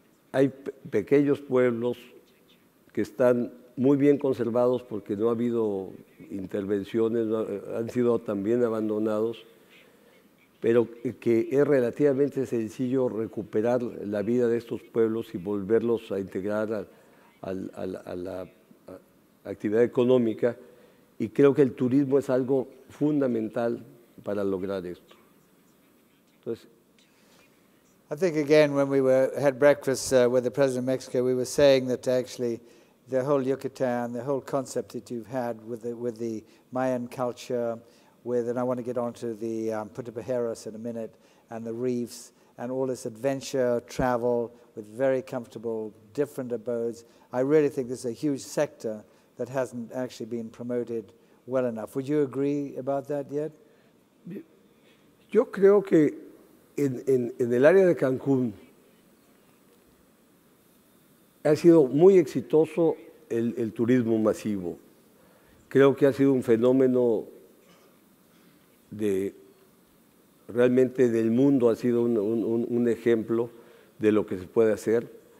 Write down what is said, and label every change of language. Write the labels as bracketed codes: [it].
[es] hay pequeños pueblos que están muy bien conservados porque no ha habido intervenciones, no, han sido también abandonados, pero que es relativamente sencillo recuperar la vida de estos pueblos y volverlos a integrar a la actividad económica, y creo que el turismo es algo fundamental para lograr esto. Entonces, [en] I think again when we had breakfast with the president of Mexico, we were saying that actually the whole Yucatan, the whole concept that you've had with the Mayan culture, and I want to get onto the Punta Pajeros in a minute, and the reefs, and all this adventure travel with very comfortable, different abodes. I really think this is a huge sector that hasn't actually been promoted well enough. Would you agree about that yet? [es] Yo creo que En el área de Cancún ha sido muy exitoso el turismo masivo. Creo que ha sido un fenómeno realmente en el mundo ha sido un ejemplo de lo que se puede hacer.